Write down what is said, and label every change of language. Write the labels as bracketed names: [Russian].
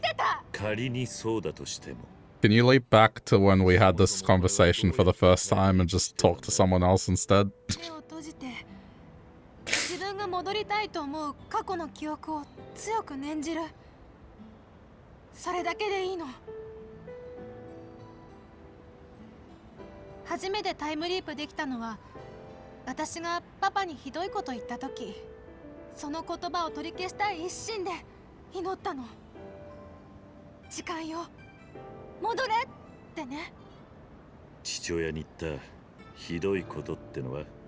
[Japanese] タイムリープの力が消えたの。そうか。やっぱりまだ信じてくれてないんですね。でも私嘘なんてついてない。本当に何回もタイムリープできてた。仮にそうだとしても。 [English] Can you leap back to when we had this conversation for the first time and just talk to someone else instead? [Japanese] 自分が戻りたいと思う過去の記憶を強く念じる。それだけでいいの。初めてタイムリープできたのは、私がパパにひどいこと言った時、その言葉を取り消したい一心で祈ったの。時間よ、戻れってね。父親に言ったひどい言葉ってのは？